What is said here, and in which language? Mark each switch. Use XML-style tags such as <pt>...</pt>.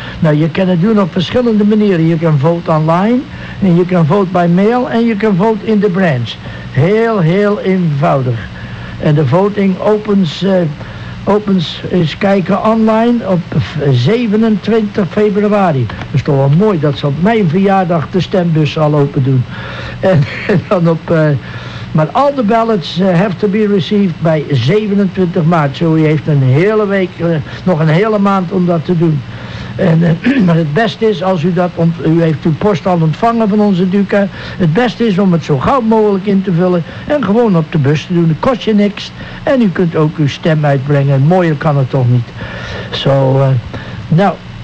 <nl>Nou, je kan het doen op verschillende manieren. Je kan vote online, en je kan vote by mail, en je kan vote in de branch. Heel, heel eenvoudig. En de voting opens eens kijken online op 27 februari. Dat is toch wel mooi dat ze op mijn verjaardag de stembus al open doen. En dan op...</nl> <en>Maar all the ballots have to be received by 27 maart.</en> <nl>Zo heeft een hele week, nog een hele maand om dat te doen. En maar het beste is, als u dat u heeft uw post al ontvangen van onze Duca. Het beste is om het zo gauw mogelijk in te vullen. En gewoon op de bus te doen. Het kost je niks. En u kunt ook uw stem uitbrengen. Mooier kan het toch niet. Zo, nou.</nl>